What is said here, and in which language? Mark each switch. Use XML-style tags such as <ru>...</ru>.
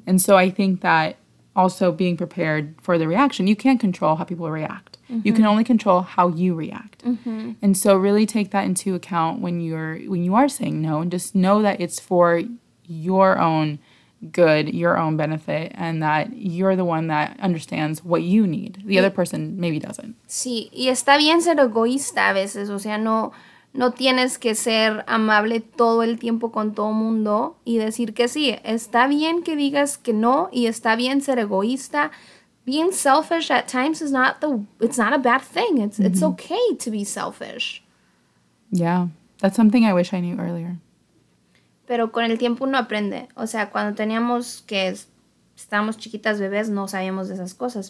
<en>And so I think that also being prepared for the reaction, you can't control how people react. You can only control how you react. And so really take that into account when you are saying no, and just know that it's for your own good, your own benefit, and that you're the one that understands what you need. The other person maybe doesn't.</en> <es>Sí, y está bien ser egoísta a veces. O sea, no tienes que ser amable todo el tiempo con todo mundo y decir que sí. Está bien que digas que no, y está bien ser egoísta.</es> <en>Being selfish at times is not it's not a bad thing. It's it's okay to be selfish. Yeah, that's something I wish I knew earlier.</en> <es>Pero con el tiempo uno aprende. O sea, cuando teníamos que estábamos chiquitas, bebés, no sabíamos de esas cosas.</es>